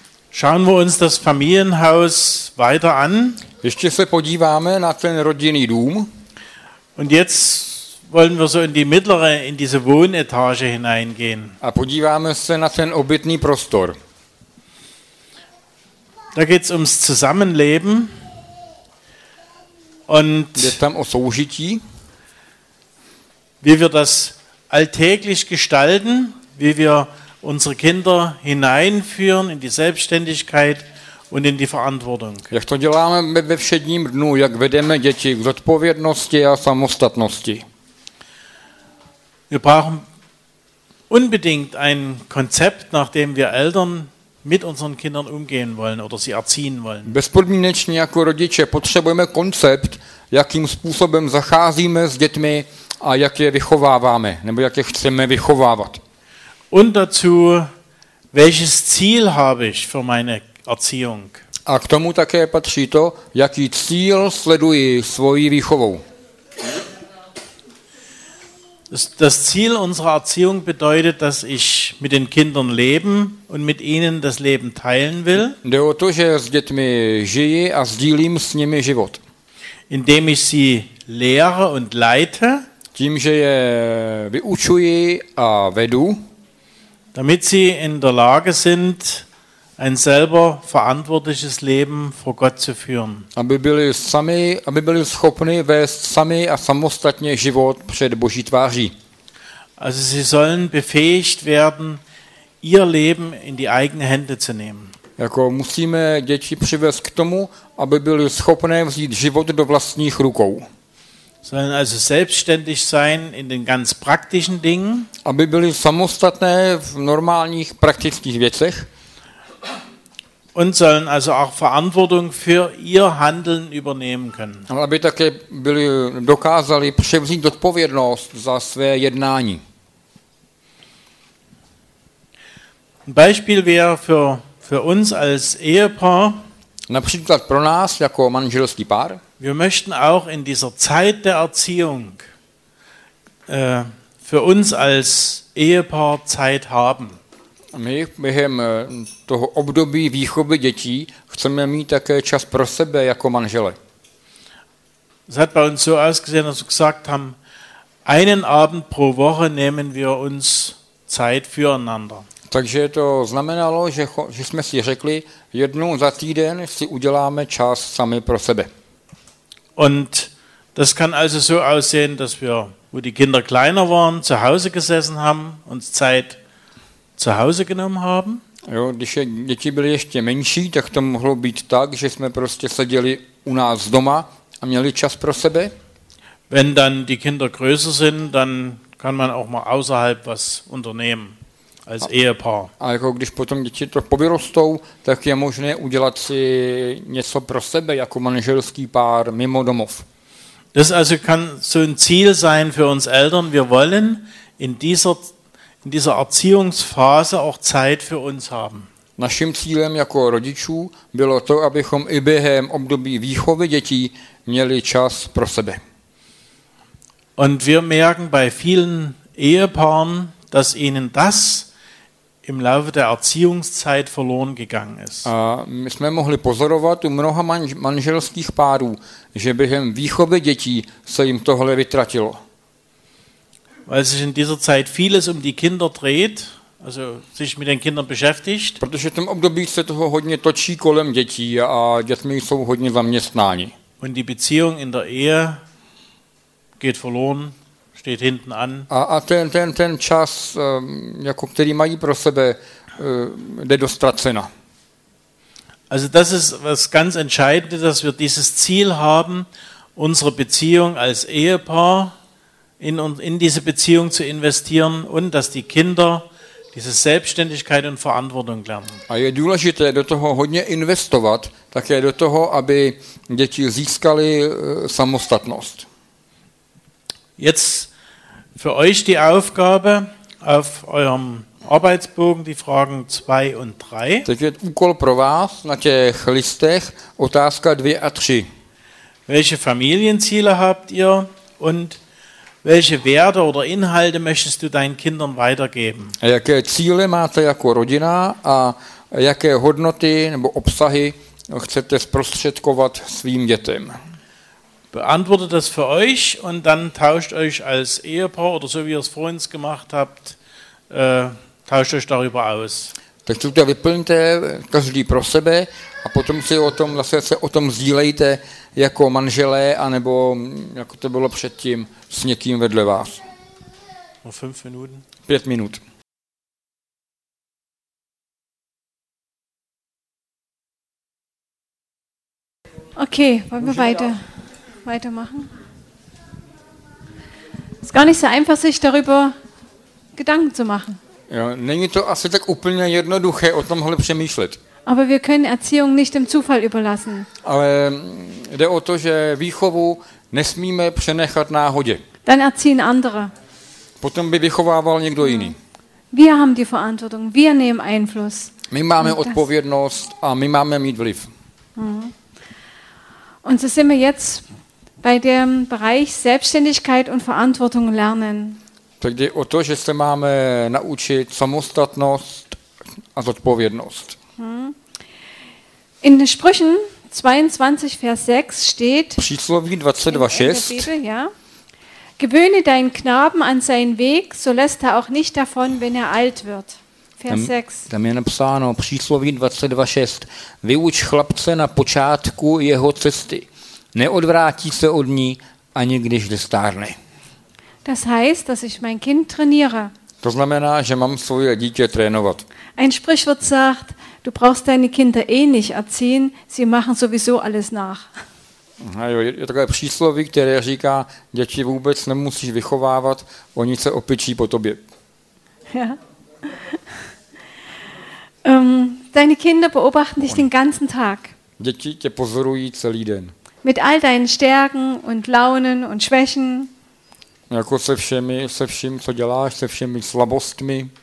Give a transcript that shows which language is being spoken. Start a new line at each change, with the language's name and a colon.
German: Schauen wir uns das Familienhaus weiter an.
Czech: Ještě se podíváme na ten rodinný dům.
German: Und jetzt wollen wir so in die mittlere, in diese Wohnetage hineingehen.
Czech: A podíváme se na ten obytný prostor.
German: Da geht's ums Zusammenleben. Und
Czech: jde tam o soužití.
German: Wie wir das alltäglich gestalten, wie wir unsere Kinder hineinführen in die Selbstständigkeit und in die Verantwortung.
Czech: Jak to děláme ve všedním dnu, jak vedeme děti k zodpovědnosti a samostatnosti.
German: Wir brauchen unbedingt ein Konzept, nach dem wir Eltern mit unseren Kindern umgehen wollen oder sie erziehen wollen.
Czech: Bezpodmínečně jako rodiče potřebujeme koncept, jakým způsobem zacházíme s dětmi a jak je vychováváme, nebo jak je chceme vychovávat.
German: Und dazu, welches Ziel habe ich für meine Erziehung?
Czech: A k tomu také patří to, jaký cíl sleduji svojí výchovou.
German: Das Ziel unserer Erziehung bedeutet, dass ich mit den Kindern leben und mit ihnen das Leben teilen will.
Czech: Jde o to, že s dětmi žiji a sdílím s nimi život.
German: Indem ich sie lehre und leite.
Czech: Tím, že je vyučuji a vedu.
German: Damit sie in der Lage sind, ein selber verantwortliches Leben vor Gott zu führen.
Czech: Aby byli schopni vést sami a samostatně život před Boží tváří.
German: Also sie sollen befähigt werden, ihr Leben in die eigene Hände zu nehmen.
Czech: Jako musíme děti přivést k tomu, aby byli schopné vzít život do vlastních rukou.
German: Sollen also selbstständig sein in den ganz praktischen Dingen.
Czech: Aby byli samostatné v normálních praktických věcech.
German: Und sollen also auch Verantwortung für ihr Handeln übernehmen können.
Czech: Aby také byli dokázali převzít odpovědnost za své jednání.
German: Ein Beispiel wäre für uns als Ehepaar.
Czech: Například pro nás jako manželský pár.
German: Wir möchten auch in dieser Zeit der Erziehung für uns als Ehepaar Zeit haben.
Czech: My během toho období výchovy dětí chceme mít také čas pro sebe jako manžele.
German: Es hat bei uns so ausgesehen, dass wir gesagt haben, einen Abend pro Woche nehmen wir uns Zeit füreinander.
Czech: Takže to znamenalo, že jsme si řekli, jednou za týden si uděláme čas sami pro sebe.
German: Und das kann also so aussehen, dass wir, wo die Kinder kleiner waren, zu Hause gesessen haben, uns Zeit zu Hause genommen haben.
Czech: Jo, když děti byly ještě menší, tak to mohlo být tak, že jsme prostě seděli u nás doma a měli čas pro sebe.
German: Wenn dann die Kinder größer sind, dann kann man auch mal außerhalb was unternehmen als Ehepaar.
Czech: A jako když potom děti to povyrostou, tak je možné udělat si něco pro sebe jako manželský pár mimo domov.
German: Das also kann so ein Ziel sein für uns Eltern. Wir wollen in dieser Erziehungsphase auch Zeit für uns haben.
Czech: Naším cílem jako rodičů bylo to, abychom i během období výchovy dětí měli čas pro sebe.
German: Und wir merken bei vielen Ehepaaren, dass ihnen das im Laufe der Erziehungszeit verloren gegangen ist.
Czech: A my jsme mohli pozorovat u mnoha manželských párů, že během výchovy dětí se jim tohle vytratilo.
German: Weil sich in dieser Zeit vieles um die Kinder dreht, also sich mit den Kindern beschäftigt.
Czech: Protože v tom období se toho hodně točí kolem dětí a dětmi jsou hodně zaměstnáni.
German: Und die Beziehung in der Ehe geht verloren, steht hinten an.
Czech: A ten čas, jako který mají pro sebe, jde do ztracena.
German: Also das ist was ganz Entscheidendes, dass wir dieses Ziel haben, unsere Beziehung als Ehepaar in diese Beziehung zu investieren und dass die Kinder diese Selbstständigkeit und Verantwortung lernen.
Czech: A je důležité do toho hodně investovat, také do toho, aby děti získali samostatnost.
German: Jetzt für euch die Aufgabe auf eurem Arbeitsbogen, die Fragen 2 und 3.
Czech: Teď je úkol pro vás na těch listech, otázka 2 a 3.
German: Welche Familienziele habt ihr und Welche Werte oder Inhalte möchtest du deinen Kindern weitergeben?
Czech: Jaké cíle máte jako rodina a jaké hodnoty nebo obsahy chcete zprostředkovat svým dětem?
German: Beantwortet das für euch und dann tauscht euch als Ehepaar oder so wie ihr es vorhin gemacht habt, tauscht euch darüber aus.
Czech: Tak si to vyplňte každý pro sebe a potom si o tom zase se o tom sdílejte jako manželé a nebo jako to bylo předtím s někým vedle vás. Pět minut.
German: Okay, wollen wir weitermachen? Ist gar nicht so einfach, sich darüber Gedanken zu machen.
Czech: Jo, není to asi tak úplně jednoduché o tomhle přemýšlet.
German: Aber wir können Erziehung nicht dem Zufall überlassen.
Czech: Ale jde o to, že výchovu nesmíme přenechat náhodě.
German: Dann erziehen andere.
Czech: Potom by vychovával někdo jiný.
German: Wir haben die Verantwortung, wir nehmen Einfluss.
Czech: My máme odpovědnost a my máme mít vliv.
German: Und so sind wir jetzt bei dem Bereich Selbstständigkeit und Verantwortung lernen.
Czech: Tak jde o to, že se máme naučit samostatnost a zodpovědnost.
German: In Sprüchen 22 Vers 6 steht.
Czech: Přísloví 22:6.
German: Ja. Gewöhne deinen Knaben an seinen Weg, so lässt er auch nicht davon, wenn er alt wird.
Czech: Tam je napsáno přísloví 22:6. Vyuč chlapce na počátku jeho cesty. Neodvrátí se od ní, ani když dostárne.
German: Das heißt, dass ich mein Kind trainiere.
Czech: To znamená, že mám svoje dítě trénovat.
German: Ein Sprichwort sagt, du brauchst deine Kinder eh nicht erziehen, sie machen sowieso alles nach.
Czech: Jo, je takové přísloví, které říká, děti vůbec nemusíš vychovávat, oni se opičí po tobě.
German: Ja. Deine Kinder beobachten dich den ganzen Tag.
Czech: Děti tě pozorují celý den.
German: Mit all deinen Stärken und Launen und Schwächen.
Czech: Jako se vším, co děláš, se všemi slabostmi.